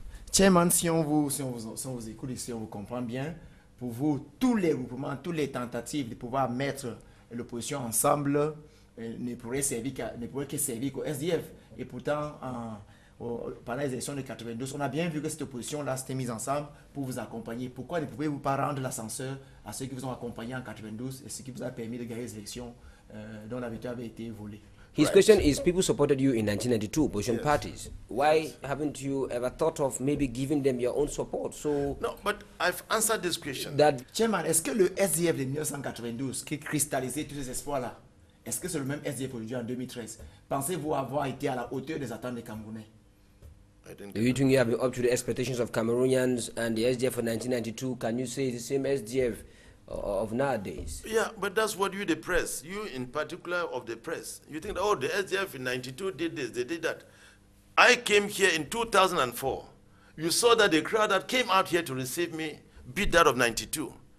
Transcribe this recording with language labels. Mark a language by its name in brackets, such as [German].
[French] Chairman, si on vous écoute et si on vous comprend bien, pour vous, tous les groupements, toutes les tentatives de pouvoir mettre l'opposition ensemble ne pourraient que servir qu'au SDF. Et pourtant, pendant les élections de 92, on a bien vu que cette opposition-là s'était mise ensemble pour vous accompagner. Pourquoi ne pouvez-vous pas rendre l'ascenseur à ceux qui vous ont accompagné en 92 et ce qui vous a permis de gagner les élections dont la victoire avait été volée? [English] His question is, people supported you in 1992, opposition parties. Why haven't you ever thought of maybe giving them your own support? So no, but I've answered this question. [French] That Chairman, est-ce que le SDF de 1992 qui cristallisait tous ces espoirs-là, est-ce que c'est le même SDF aujourd'hui en 2013? Pensez-vous avoir été à la hauteur des attentes des Camerounais? [English] Do you think you have been up to the expectations of Cameroonians and the SDF of 1992? Can you say the same SDF of nowadays? Yeah, but that's what you, the press, you in particular of the press, you think, oh, the SDF in 92 did this, they did that. I came here in 2004. You saw that the crowd that came out here to receive me beat that of 92.